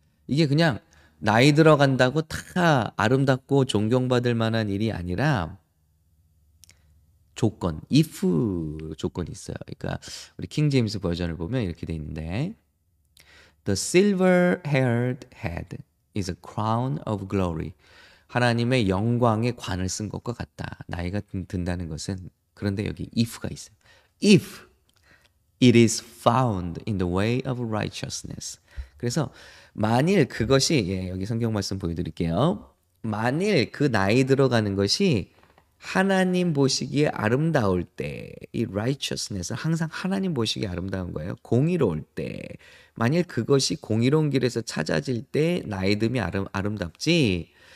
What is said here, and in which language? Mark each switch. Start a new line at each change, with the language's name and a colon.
Korean: 이게 그냥 나이 들어간다고 다 아름답고 존경받을 만한 일이 아니라 조건, if 조건이 있어요. 그러니까 우리 킹 제임스 버전을 보면 이렇게 돼 있는데
English: The silver-haired head is a crown of glory.
Korean: 하나님의 영광의 관을 쓴 것과 같다. 나이가 든다는 것은 그런데 여기 if가 있어요.
English: If it is found in the way of righteousness.
Korean: 그래서 만일 그것이 예, 여기 성경 말씀 보여드릴게요. 만일 그 나이 들어가는 것이 하나님 보시기에 아름다울 때, 이 righteousness은 항상 하나님 보시기에 아름다운 거예요. 공의로울 때, 만일 그것이 공의로운 길에서 찾아질 때 나이듦이 아름답지.